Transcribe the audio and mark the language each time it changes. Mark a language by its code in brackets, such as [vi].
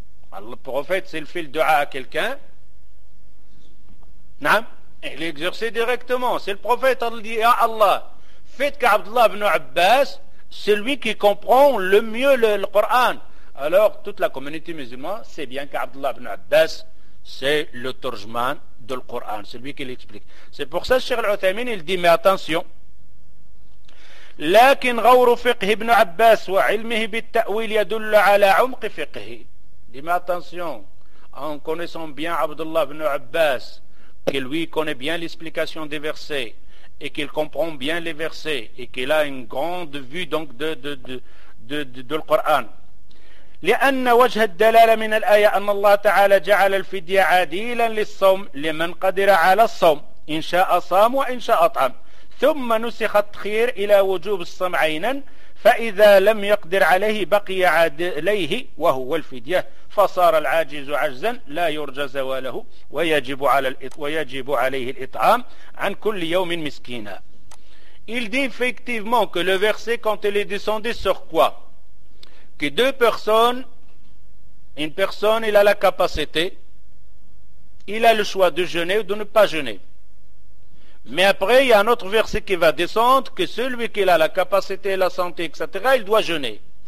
[fr] Alors, le prophète, s'il fait le dua à quelqu'un, il exerce directement. C'est le prophète, il dit, ya Allah, faites qu'Abdullah ibn Abbas, c'est lui qui comprend le mieux le Coran. Alors, toute la communauté musulmane sait bien qu'Abdullah ibn Abbas, c'est le tourjman de le Coran. C'est lui qui l'explique. C'est pour ça que Cheikh Al-Uthaymin, il dit, mais attention, [ar] لكن غور فقه ابن عباس وعلمه بالتأويل يدل على عمق فقهه. دي ما [fr] attention. En connaissant bien Abdullah ibn Abbas, qui lui connaît bien l'explication des versets et qu'il comprend bien les versets et qu'il a une grande vue donc de le Coran. [ar] لأن وجه الدلالة من الآية أن الله تعالى جعل الفدية عادلا للصوم لمن قدر على الصوم إن شاء صام وإن شاء أطعم. ثم نسخ التخير إلى وجوب الصوم عينا فإذا لم يقدر عليه بقي عليه وهو الفدية فصار العاجز عجزا لا يرجى زواله ويجب عليه الإطعام عن كل يوم مسكينا. [fr] Il dit effectivement que le verset, quand il est descendu, sur quoi? Que deux personnes, une personne, il a la capacité, il a le choix de jeûner ou de ne pas jeûner. Mais après, il y a un autre verset qui va descendre, que celui qui a la capacité, la santé, etc., il doit jeûner.